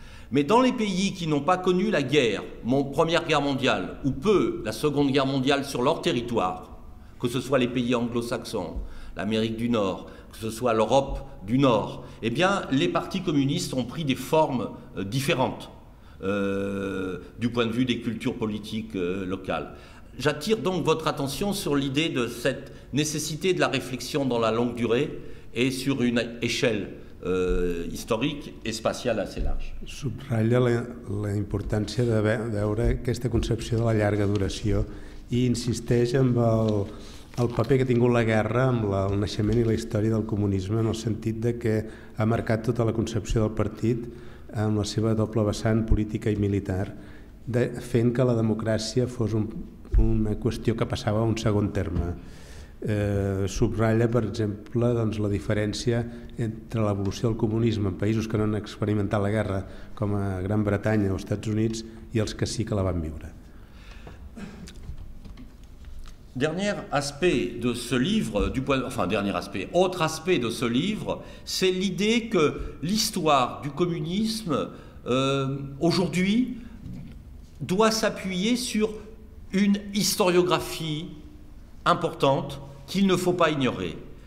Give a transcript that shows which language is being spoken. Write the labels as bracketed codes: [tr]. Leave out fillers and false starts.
[fr] Mais dans les pays qui n'ont pas connu la guerre, Première Guerre mondiale, ou peu la Seconde Guerre mondiale sur leur territoire, que ce soit les pays anglo-saxons, l'Amérique du Nord, que ce soit l'Europe du Nord, eh bien, les partis communistes ont pris des formes différentes du point de vue des cultures politiques locales. J'attire donc votre attention sur l'idée de cette nécessité de la réflexion dans la longue durée et sur une échelle historique et spatiale assez large. [ca] Subratlla la importància de veure aquesta concepció de la llarga duració i insisteix en el paper que ha tingut la guerra amb el naixement i la història del comunisme en el sentit de que ha marcat tota la concepció del partit amb la seva doble vessant política i militar, fent que la democràcia fos una qüestió que passava a un segon terme. Subratlla, per exemple, la diferència entre l'evolució del comunisme en països que no han experimentat la guerra, com a Gran Bretanya o Estats Units, i els que sí que la van viure. [fr] Dernier aspect de ce livre, autre aspect de ce livre, c'est l'idée que l'histoire du communisme aujourd'hui doit s'appuyer sur une historiographie importante qu'il ne faut pas ignorer.